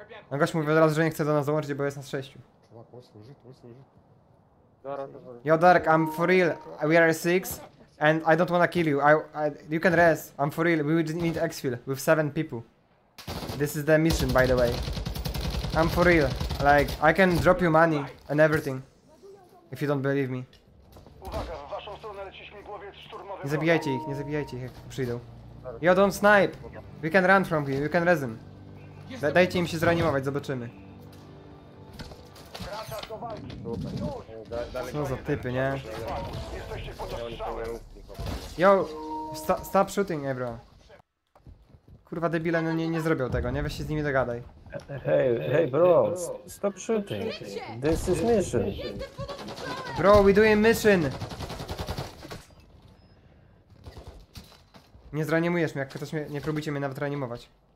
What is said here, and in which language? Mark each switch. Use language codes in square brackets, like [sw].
[pl] No gość mówi od razu, że nie chce do nas dołączyć, bo jest nas 6. [en] Yo Dark, I'm for real. We are 6 and I don't wanna kill you. You can rest. I'm for real. We need exfil with 7 people. This is the mission, by the way. I'm for real. Like, I can drop you money and everything. If you don't believe me. [pl] Uwaga, w waszą stronę leci śmigłowiec szturmowy. Nie zabijajcie ich, jak przyjdą. [en] Yo, don't snipe! We can run from you, you can resin. [pl] Dajcie im się zreanimować, zobaczymy. Co za typy, nie? [en] Yo, stop shooting, everyone. [pl] Kurwa, debile, no nie zrobią tego, nie? Weź się z nimi dogadaj. [en] Hey bro, stop shooting. This is mission. Bro, we doing mission. [pl] Nie zreanimujesz mnie, jak ktoś mnie... Nie próbujcie mnie nawet reanimować.